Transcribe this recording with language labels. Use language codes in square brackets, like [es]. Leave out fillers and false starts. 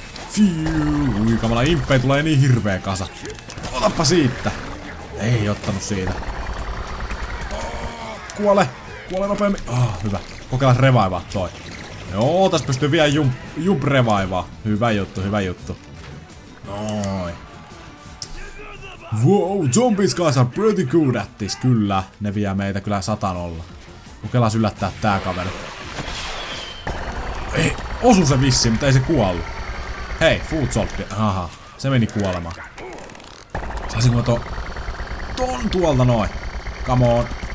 [fi] Fiuuu, kamala impei tulee niin hirveä kasa. Otappa siitä. Ei ottanut siitä. Kuole. Kuole nopeammin. Hyvä. Kokeillaan revaivaa toi. Joo, tässä pystyy vielä jump revaivaa. Hyvä juttu, hyvä juttu. Noi. [en] Wow, zombies guys are pretty good at this. [fi] Kyllä, ne vie meitä kyllä 100-0. Kokeillaan yllättää tää kaveri. Ei, osu se vissi, mutta ei se kuollu. Hei, food shop. Aha, se meni kuolemaan. Saisinko ton tuolta noin? [en] Come on.